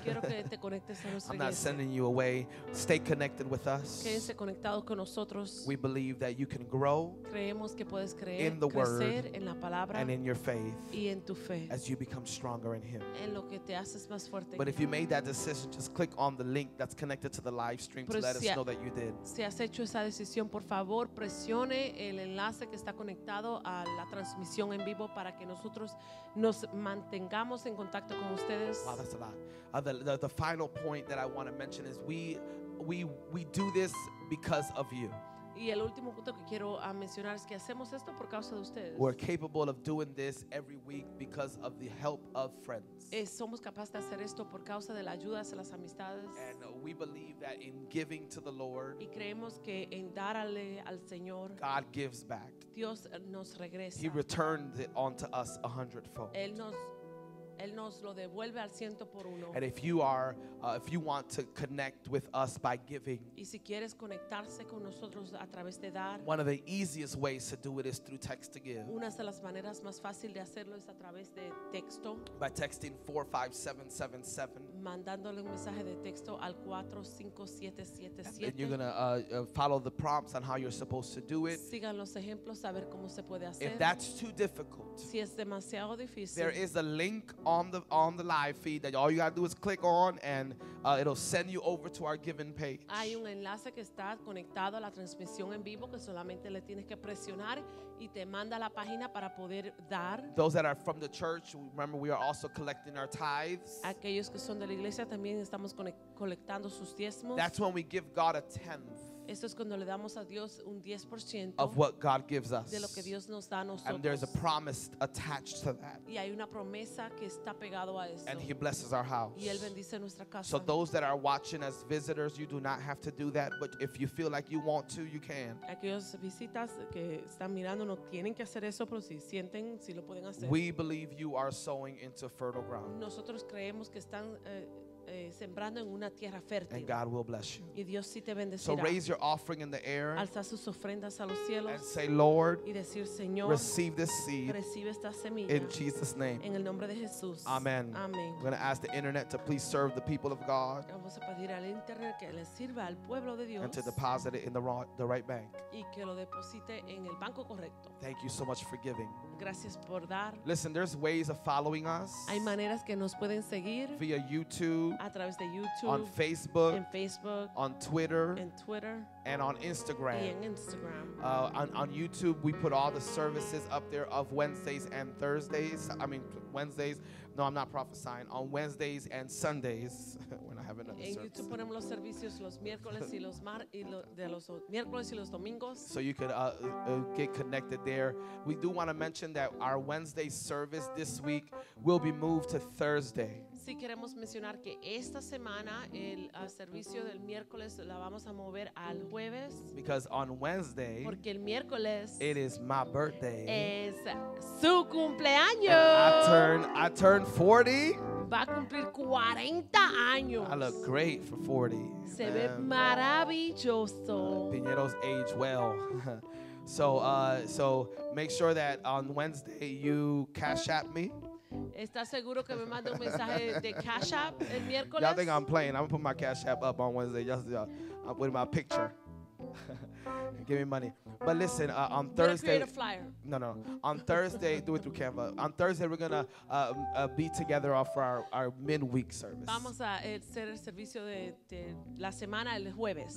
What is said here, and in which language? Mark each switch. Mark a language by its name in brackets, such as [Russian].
[English] I'm not sending you away. Stay connected with us. [Spanish] Quédese conectado con nosotros. [English] We believe that you can grow [Spanish] creemos que puedes creer, [English] in the [Spanish] crecer, [English] word [Spanish] en la palabra, [English] and in your faith [Spanish] y en tu fe, [English] as you become stronger in him. [Spanish] En lo que te haces más fuerte. [English] But if you made that decision, just click on the link that's connected to the live stream [Spanish] pero [English] to let us know that you did. [Spanish] Si has hecho esa decisión, por favor, presione el enlace que está conectado a la transmisión en vivo para que nosotros nos mantengamos en contacto con ustedes. [English] Wow, that's a lot. The final point that I want to mention is we do this because of you. [Spanish] Y el último punto que quiero mencionar es que hacemos esto por causa de ustedes. [English] We're capable of doing this every week because of the help of friends. [Spanish] Somos capaces de hacer esto por causa de la ayuda de las amistades. [English] And we believe that in giving to the Lord, [Spanish] y creemos que en darle al Señor, [English] God gives back. [Spanish] Dios nos regresa. [English] He returned it onto us 100-fold. [Spanish] Él nos lo devuelve al ciento por uno. [English] And if you are, if you want to connect with us by giving, [Spanish] y si quieres conectarse con nosotros a través de dar, [English] one of the easiest ways to do it is through text to give. [Spanish] Una de las maneras más fácil de hacerlo es a través de texto. [English] By texting 45777. [Spanish] Mandándole un mensaje de texto al 45777. [English] And you're gonna follow the prompts on how you're supposed to do it. [Spanish] Sigan los ejemplos a ver cómo se puede hacer. [English] If that's too difficult, [Spanish] si es demasiado difícil, [English] there is a link on the live feed that all you gotta do is click on and it'll send you over to our giving page. [Spanish] Hay un enlace que está conectado a la transmisión en vivo que solamente le tienes que presionar y te manda la página para poder dar. [English] Those that are from the church, remember we are also collecting our tithes. [Spanish] Aquellos que son de la iglesia también estamos colectando sus diezmos. [English] That's when we give God a tenth. [Spanish] Esto es cuando le damos a Dios un 10% [English] of what God gives us. [Spanish] De lo que Dios nos da a nosotros. [English] And there's a promise attached to that. [Spanish] Y hay una promesa que está pegado a esto. [English] And he blesses our house. [Spanish] Y él bendice nuestra casa. [English] So those that are watching as visitors, you do not have to do that, but if you feel like you want to, you can. [Spanish] Aquellos visitas que están mirando no tienen que hacer eso, pero si sienten, si lo pueden hacer. [English] We believe you are sowing into fertile ground. [Spanish] Nosotros creemos que están sembrando en una tierra fértil. [English] And God will bless you. [Spanish] Y Dios sí te bendecirá. [English] So raise your offering in the air. [Spanish] Alza sus ofrendas a los cielos. [English] And say, Lord, [Spanish] y decir, Señor, [English] receive this seed. [Spanish] Recibe esta semilla. [English] In Jesus' name. [Spanish] En el nombre de Jesús. [English] Amen. [Spanish] Amen. [English] We're going to ask the internet to please serve the people of God. [Spanish] Vamos a pedir al internet que le sirva al pueblo de Dios. [English] And to deposit it in the right bank. [Spanish] Y que lo deposite en el banco correcto. [English] Thank you so much for giving. [Spanish] Gracias por dar. [English] Listen, there's ways of following us. [Spanish] Hay maneras que nos pueden seguir. [English] Via YouTube. [Spanish] A través de YouTube, [English] on Facebook, [Spanish] en Facebook, [English] on Twitter, [Spanish] en Twitter, [English] and on Instagram. [Spanish] Y en Instagram. [English] On YouTube, we put all the services up there of Wednesdays and Thursdays. I mean, Wednesdays. No, I'm not prophesying. On Wednesdays and Sundays, when I have another service. [Spanish] En YouTube ponemos los servicios los miércoles y los mar y de los miércoles y los domingos. [English] So you could get connected there. We do want to mention that our Wednesday service this week will be moved to Thursday. [Spanish] Sí, queremos mencionar que esta semana el servicio del miércoles la vamos a mover al jueves. [English] Because on Wednesday, [Spanish] porque el miércoles, [English] it is my birthday. [Spanish] Es su cumpleaños. [English] I turn 40. [Spanish] Va a cumplir 40 años. [English] I look great for 40. [Spanish] Se ve maravilloso. [English] Piñeros age well. So make sure that on Wednesday you cash app me. [Spanish] ¿Estás seguro que me mande un mensaje de cash app el miércoles? [English] Y'all think I'm playing. I'm going to put my cash app up on Wednesday. Y'all, I'm with my picture. Give me money. But listen, on Thursday, create a flyer. No. On Thursday, do it through Canva. On Thursday, we're gonna be together for our midweek service. [Spanish] Vamos a hacer el servicio de la semana el jueves.